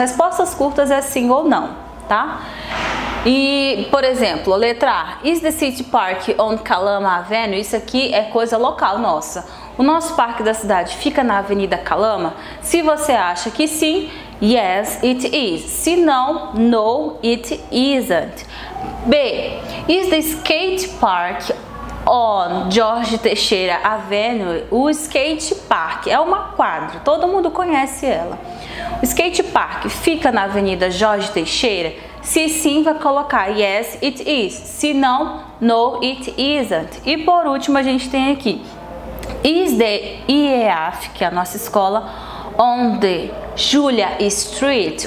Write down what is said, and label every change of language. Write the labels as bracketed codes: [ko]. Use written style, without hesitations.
[pt] Respostas curtas é sim ou não, tá? E, por exemplo, letra A: [en] is the city park on Calama Avenue? [pt] Isso aqui é coisa local nossa. O nosso parque da cidade fica na Avenida Calama? Se você acha que sim, [en] yes, it is. [pt] Se não, [en] no, it isn't. B: is the skate park on Jorge Teixeira Avenue? [pt] O skate park é uma quadra, todo mundo conhece ela. O skate park fica na Avenida Jorge Teixeira? Se sim, vai colocar [en] yes, it is. [pt] Se não, [en] no, it isn't. [pt] E por último, a gente tem aqui: [en] is the IEAF, [pt] que é a nossa escola, [en] on the Julia Street?